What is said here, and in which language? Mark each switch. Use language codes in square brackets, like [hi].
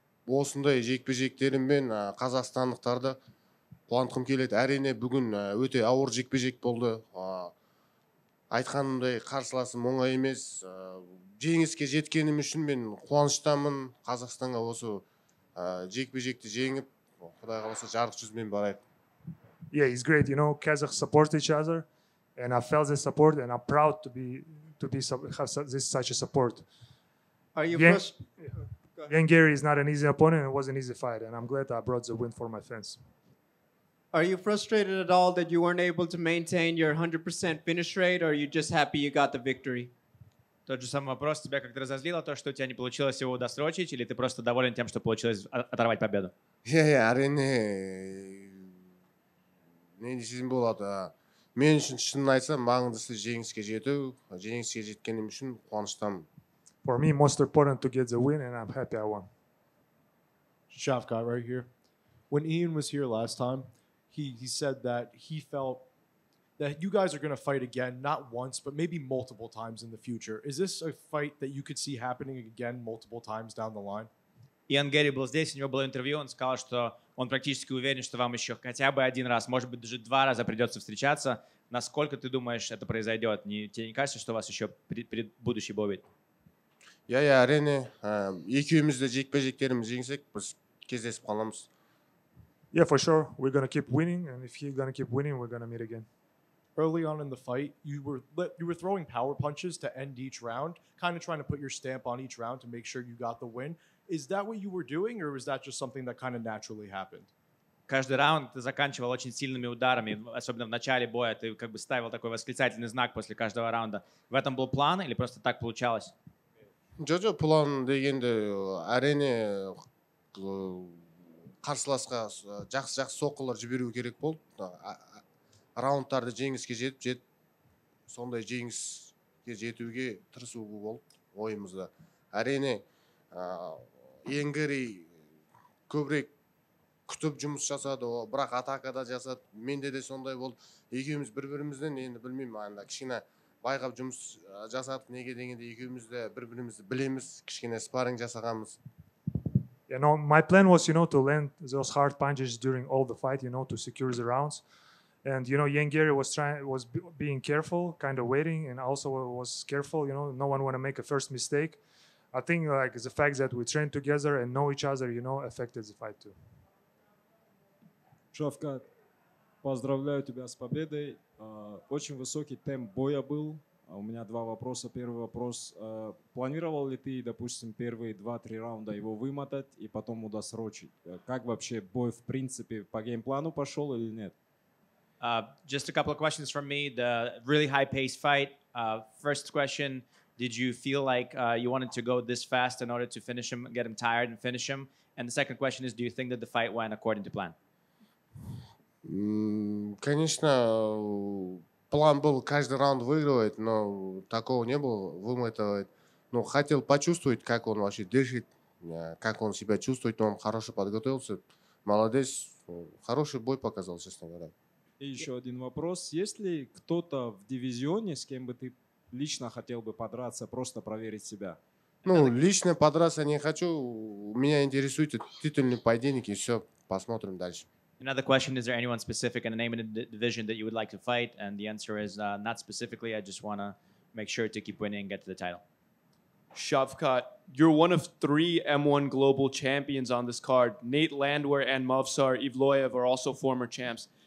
[kk] Осындай жекпе-жектерімен қазақстандықтарды қуантқым келеді. Әрине, бүгін өте ауыр жекпе-жек болды. Айтқанымдай қарсыласым оңай емес. Жеңіске жеткенім үшін мен қуаныштамын. Қазақстанға осы жекпе-жекті жеңіп, Құдай қаласа жарық жүзімен барайық. [en] Yeah, it's great, you know, Kazakh supports each other and I felt the support and I'm proud to be have this such a support. Are you fresh? Yengeri is not an easy opponent, it was an easy fight and I'm glad that I brought the win for my fans. Are you frustrated at all that you weren't able to maintain your 100% finish rate, or are you just happy you got the victory? [ru] Тот же самый вопрос. Тебя как-то разозлило то, что у тебя не получилось его досрочить, или ты просто доволен тем, что получилось оторвать победу? Я арене... Мне не сезон было, да. [kk] Мен үшін шын айтсам, маңыздысы жеңіске жету. Жеңіске жеткенім үшін қуаныштам. [en] For me, most important to get the win, and I'm happy I won. Shafkat, right here. When Ian was here last time, he said that he felt that you guys are going to fight again, not once, but maybe multiple times in the future. Is this a fight that you could see happening again multiple times down the line? [ru] Ian Gary был здесь, у него было интервью, он сказал, что он практически уверен, что вам еще хотя бы один раз, может быть, даже два раза придется встречаться. Насколько ты думаешь, это произойдет? Тебе не кажется, что у вас еще будущий бой будет? [kk] Я арене, екеуміз де жекпе-жектерімізді жеңсек, біз кездесіп қаламыз. [en] Yeah, for sure. We're going to keep winning. And if he's going to keep winning, we're going to meet again. Early on in the fight, you were throwing power punches to end each round, kind of trying to put your stamp on each round to make sure you got the win. Is that what you were doing, or was that just something that kind of naturally happened? [ru] Каждый раунд ты заканчивал очень сильными ударами, особенно в начале боя. Ты как бы ставил такой восклицательный знак после каждого раунда. В этом был план или просто так получалось? [kk] Джо, план дегенде арене... қарсыласқа жақсы-жақсы соққылар жіберу керек болды. Раундтарды жеңіске жетіп, сондай жеңіске жетуге тырысуы болды ойымызда. Әрине, еңгерей көбірек күтіп жұмыс жасады, бірақ атакада жасады. Менде де сондай болды. Екеуміз бір-бірімізден, енді білмеймін, айында кішкене байқап жұмыс жасады. Неге дегенде екеуміз де бір-бірімізді білеміз, кішкене спарринг жасағанбыз. [en] You know, my plan was, you know, to land those hard punches during all the fight, you know, to secure the rounds. And, you know, Yengeri was being careful, kind of waiting, and also was careful, you know, no one want to make a first mistake. I think, like, the fact that we trained together and know each other, you know, affected the fight too. [ru] Шавкат, поздравляю тебя с победой. Очень высокий темп боя был. У меня два вопроса. Первый вопрос. Планировал ли ты, допустим, первые 2-3 раунда его вымотать и потом удосрочить? Как вообще бой, в принципе, по геймплану пошел или нет? [en] Just a couple of questions from me. The really high-paced fight. First question, did you feel like you wanted to go this fast in order to finish him, get him tired and finish him? And the second question is, do you think that the fight went according to plan? [ru] Конечно... План был каждый раунд выигрывать, но такого не было, вымотывать. Но хотел почувствовать, как он вообще дышит, как он себя чувствует, но он хорошо подготовился. Молодец, хороший бой показал, честно говоря. И еще один вопрос. Есть ли кто-то в дивизионе, с кем бы ты лично хотел бы подраться, просто проверить себя? Ну, лично подраться не хочу. Меня интересуют титульные поединки, все, посмотрим дальше. [en] Another question, is there anyone specific in the name of the division that you would like to fight? And the answer is not specifically. I just want to make sure to keep winning and get to the title. Shavkat, you're one of three M1 global champions on this card. Nate Landwehr and Movsar Evloev are also former champs.